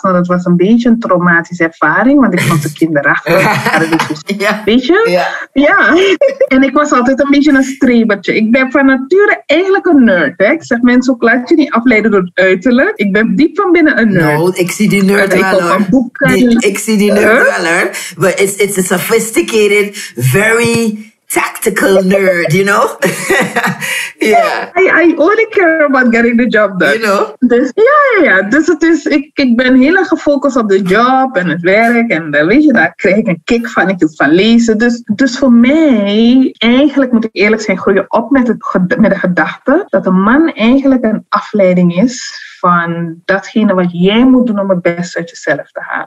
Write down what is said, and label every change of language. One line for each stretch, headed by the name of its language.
Dutch: Nou, dat was een beetje een traumatische ervaring, want ik vond de kinderachtig. Weet je? Ja. En ik was altijd een beetje een strebertje. Ik ben van nature eigenlijk een nerd. Hè? Ik zeg mensen ook, laat je niet afleiden door het uiterlijk. Ik ben diep van binnen een nerd. No, ik zie die nerd wel, hoor. Ik zie die nerd wel, hoor.
English: But it's a sophisticated, very tactical nerd, you know? Yeah. I only care about getting the job done. You know?
Dutch: Dus ja. Dus het is, ik ben heel erg gefocust op de job en het werk. En weet je, daar krijg ik een kick van. Ik wil van lezen. Dus voor mij, eigenlijk moet ik eerlijk zijn, groeien op met de gedachte dat een man eigenlijk een afleiding is van datgene wat jij moet doen om het beste uit jezelf te halen.